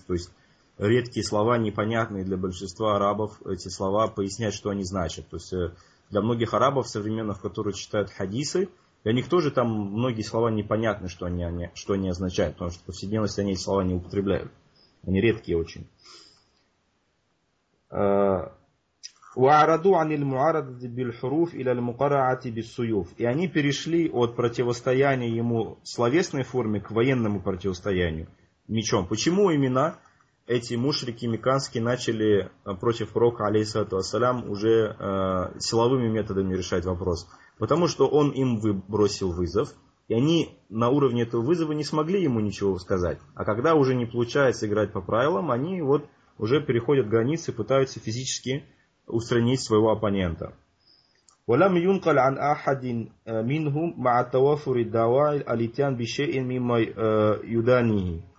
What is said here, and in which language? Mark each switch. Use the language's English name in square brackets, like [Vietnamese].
[Russian] То есть редкие слова, непонятные для большинства арабов, эти слова пояснять, что они значат. То есть для многих арабов современных, которые читают хадисы, для них тоже там многие слова непонятны, что они означают. Потому что в повседневности они эти слова не употребляют. Они редкие очень. [Arabic] وعرضوا عن المعارضة بالحروف إلى المقارعة بالسيوف. [Russian] И они перешли от противостояния ему словесной форме к военному противостоянию мечом. Почему именно эти мушрики мекканские начали против пророка, алейхиссалату вассалям, уже силовыми методами решать вопрос? Потому что он им бросил вызов, и они на уровне этого вызова не смогли ему ничего сказать. А когда уже не получается играть по правилам, они вот уже переходят границы, пытаются физически устранить своего оппонента. [Arabic] ولم ينقل عن أحد منهم مع توافر الدواعي الاتيان بشيء مما يدانيه.